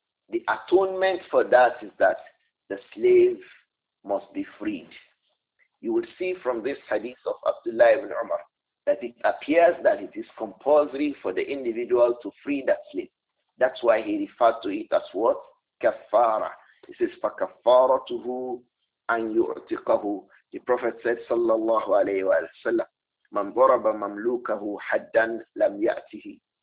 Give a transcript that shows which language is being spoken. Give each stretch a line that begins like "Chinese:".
English: The atonement for that is that the slave must be freed. you will see from this hadith of Abdullah ibn Umar that it appears that it is compulsory for the individual to free that slave. That's why he referred to it as what? Kaffara. He says,
Arabic: فَكَفَّارَتُهُ أَنْ يُعْتِقَهُ.
English: The Prophet said,
Arabic: sallallahu alayhi wa sallam, مَنْ ضَرَبَ مَمْلُوكَهُ حَدًّا لَمْ يَأْتِهِ.